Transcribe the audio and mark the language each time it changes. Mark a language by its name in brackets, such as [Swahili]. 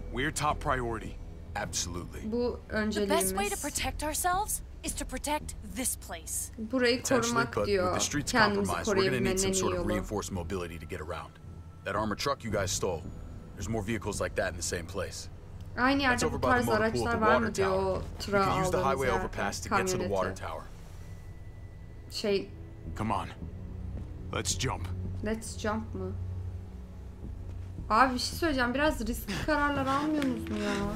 [English] We're top priority. Absolutely. [Turkish] Bu önceliğimiz. [English] The best way to protect ourselves is to protect this place. [Turkish] Burayı korumak diyor. [English] The streets compromised. We're gonna need some sort of reinforced mobility to get around. That armored truck you guys stole. There's more vehicles like that in the same place. [Turkish] Aynı yerde bu tarz araçlar var mı diyor. [English] We can use the highway overpass to get to the water tower. [Turkish] Şey. [English] Come on. Let's jump. Let's jump [Turkish] mı? Abi bir şey söyleyeceğim. Biraz riskli kararlar almıyor musun ya?